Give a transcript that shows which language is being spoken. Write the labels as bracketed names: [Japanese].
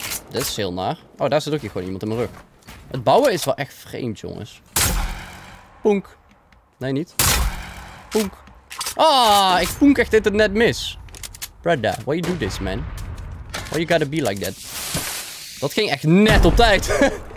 [Dutch] Dit is heel naar. Oh, daar zit ook hier gewoon iemand in mijn rug. Het bouwen is wel echt vreemd, jongens. Boonk. Nee, niet. Boonk. Ah, oh, ik boonk echt dit het net mis. [English] Brother, why you do this, man? Why you gotta be like that? [Dutch] Dat ging echt net op tijd.